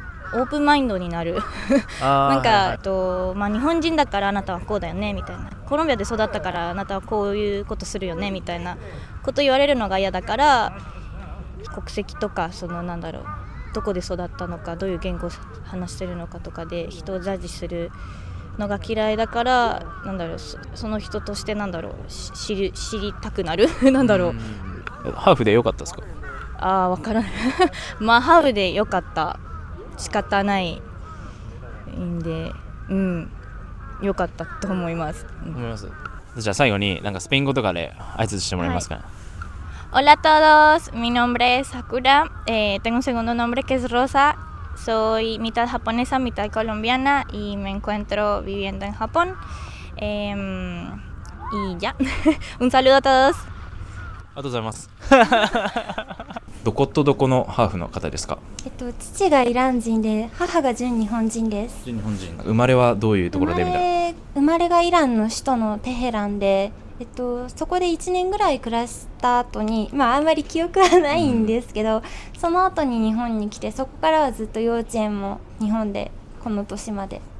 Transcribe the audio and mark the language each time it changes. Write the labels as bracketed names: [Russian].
[Japanese] オープンマインドになるなんか、はいはい、まあ、日本人だからあなたはこうだよねみたいな、コロンビアで育ったからあなたはこういうことするよねみたいなこと言われるのが嫌だから、国籍とか、そのなんだろう、どこで育ったのか、どういう言語を話してるのかとかで人をジャッジするのが嫌いだから、なんだろう、その人としてなんだろう、知りたくなるなんだろう。ハーフで良かったですか？ああ、わからないまあ、ハーフで良かった、仕方ないんで、うん、良かったと思います、うん、思います。じゃあ最後になんかスペイン語とかで挨拶してもらえますか？ [Spanish] はい、Hola a todos, mi nombre es Sakura, tengo un segundo nombre que es Rosa, soy mitad japonesa, mitad colombiana y me encuentro viviendo en Japón, y ya, un saludo a todos. [Japanese] ありがとうございますどことどこのハーフの方ですか？父がイラン人で母が純日本人です。純日本人。生まれはどういうところでみたいな？生まれがイランの首都のテヘランで、そこで1年ぐらい暮らした後に、まあ、あんまり記憶はないんですけど、うん、その後に日本に来て、そこからはずっと幼稚園も日本で、この年まで。